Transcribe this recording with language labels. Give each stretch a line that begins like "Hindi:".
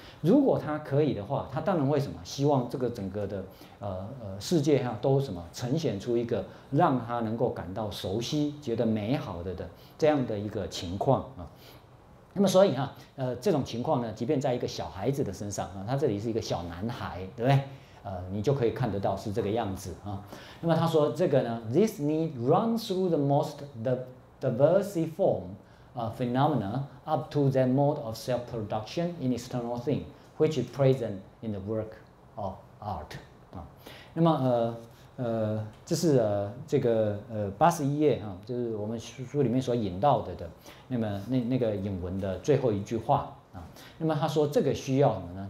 Chinese: 如果他可以的话，他当然会什么？希望这个整个的世界哈都什么呈现出一个让他能够感到熟悉、觉得美好的这样的一个情况啊。那么所以哈这种情况呢，即便在一个小孩子的身上啊，他这里是一个小男孩，对不对？你就可以看得到是这个样子啊。那么他说这个呢
English: ，this need runs through the most diversiform phenomena up to that mode of self-production in external thing, which is present in the work of art 啊。
Chinese: 那么这是这个81页啊，就是我们书里面所引到的那么那个引文的最后一句话啊。那么他说这个需要什么呢？